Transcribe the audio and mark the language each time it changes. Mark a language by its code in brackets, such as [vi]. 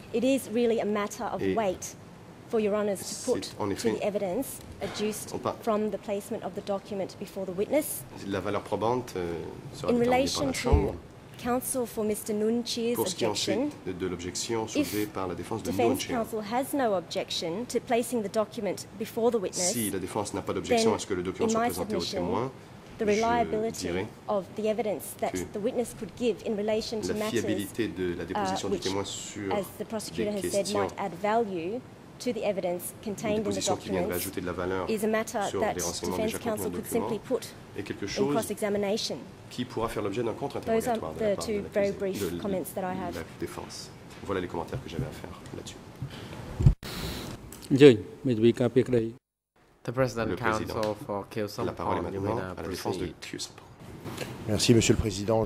[en] it is really a matter of weight for Your Honours to put to the evidence adduced from the placement of the document before the witness. In relation to counsel for Mr. Nunchi's objection, if defense counsel has no objection to placing the document before the witness, [fr] si la défense n'a pas d'objection à ce que le document soit présenté au témoin, [en] the reliability of the evidence that the witness could give in relation to matters which, as the prosecutor has said, might add value to the evidence contained in the document is a matter that defense counsel could simply put in cross-examination. [fr] Qui pourra faire l'objet d'un contre-interrogatoire de la part de la défense. Voilà les commentaires que j'avais à faire là-dessus. [en] The president counsel for Kieu Sampong. [fr] La parole est maintenant à la défense de Kieu Sampong. Merci, Monsieur le Président.